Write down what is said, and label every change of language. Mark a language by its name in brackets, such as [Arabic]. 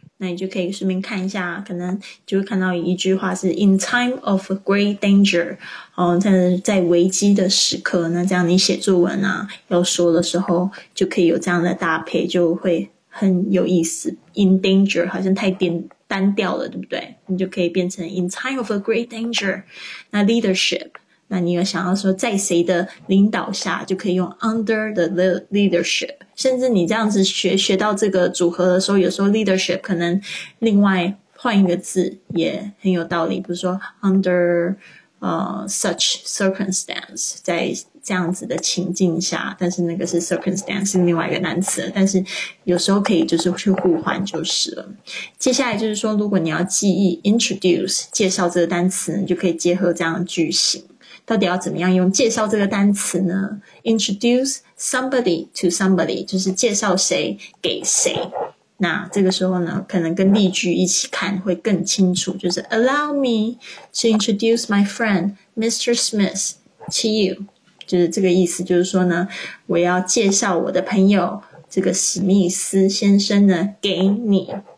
[Chinese] 那你就可以顺便看一下，可能就会看到一句话是 [English] In time of great danger、 [Chinese] 在危机的时刻，那这样你写作文啊要说的时候就可以有这样的搭配，就会很有意思。 [English] In danger [Chinese] 好像太单调了，对不对？你就可以变成 [English] In time of a great danger。 [Chinese] 那 leadership， 那你有想要说在谁的领导下，就可以用 [English] under the leadership。 [Chinese] 甚至你这样子学到这个组合的时候，有时候 leadership 可能另外换一个字也很有道理，比如说 [English] under such circumstance， [Chinese] 在这样子的情境下，但是那个是 circumstance， 是另外一个单词，但是有时候可以就是去互换就是了。接下来就是说，如果你要记忆 introduce 介绍这个单词，你就可以结合这样的句型。到底要怎么样用介绍这个单词呢？ [English] Introduce somebody to somebody [Chinese] 就是介绍谁给谁。那这个时候呢，可能跟例句一起看会更清楚，就是 [English] Allow me to introduce my friend Mr. Smith to you， [Chinese] 就是这个意思，就是说呢，我要介绍我的朋友这个史密斯先生呢给你。